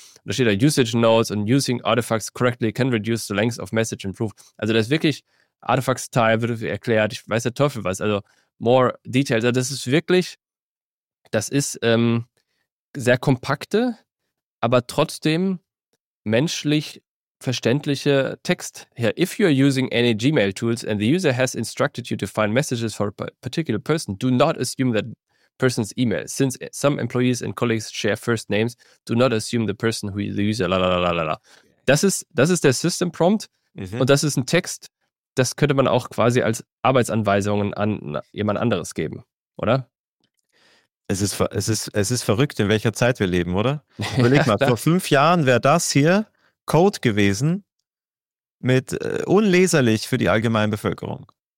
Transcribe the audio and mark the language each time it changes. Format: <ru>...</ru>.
<de>Und da steht da</de> <en>Usage Notes und using artifacts correctly can reduce the length of message and proof.</en> <de>Also das ist wirklich Artifacts-Teil, wird erklärt, ich weiß der Teufel was, also more details. Also das ist wirklich, das ist sehr kompakte, aber trotzdem menschlich verständliche Text.</de> <en>Here, if you are using any Gmail tools and the user has instructed you to find messages for a particular person, do not assume that person's email. Since some employees and colleagues share first names, do not assume the person who is the user. La, la, la, la, la.</en> <de>Das ist der System Prompt, mhm, und das ist ein Text, das könnte man auch quasi als Arbeitsanweisungen an jemand anderes geben, oder? Es ist verrückt, in welcher Zeit wir leben, oder? Überleg mal, vor 5 Jahren wäre das hier Code gewesen, mit unleserlich für die allgemeine Bevölkerung.</de>